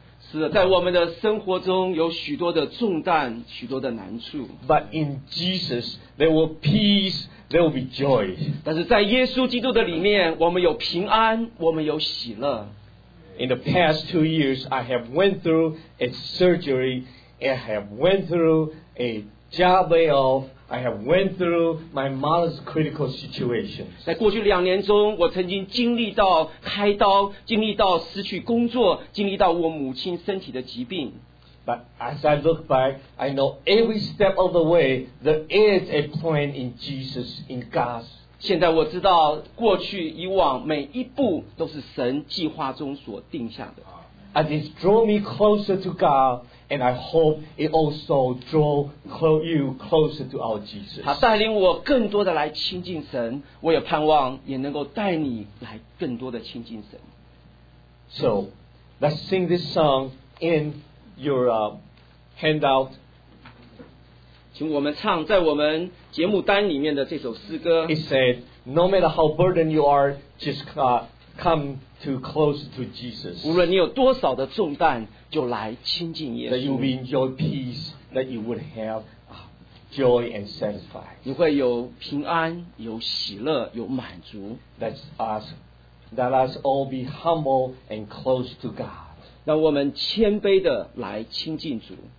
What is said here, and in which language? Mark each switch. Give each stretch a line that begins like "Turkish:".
Chinese: 是的，在我们的生活中有许多的重担，许多的难处。
English: But in Jesus, there will peace. There will be joy.
Chinese: 但是在耶稣基督的里面，我们有平安，我们有喜乐。
English: In the past 2 years, I have went through a surgery. I have went through a job layoff. I have went through my mother's critical situation.
Chinese: 在过去两年中，我曾经经历到开刀，经历到失去工作，经历到我母亲身体的疾病。
English: But as I look back, I know every step of the way there is a plan in Jesus, in God.
Chinese: 现在我知道，过去以往每一步都是神计划中所定下的。
English: As it draw me closer to God, and I hope it also draw you closer to our Jesus.
Chinese: 他带领我更多的来亲近神，我也盼望也能够带你来更多的亲近神。
English: So, let's sing this song in your handout.
Chinese: 请我们唱在我们节目单里面的这首诗歌。
English: It said, "No matter how burdened you are, just come." To close to Jesus.
Chinese: 无论你有多少的重担，就来亲近耶稣。
English: That you will enjoy peace, that you would have joy and satisfy.
Chinese: 你会有平安，有喜乐，有满足。
English: Let us all be humble and close to God.
Chinese: 让我们谦卑的来亲近主。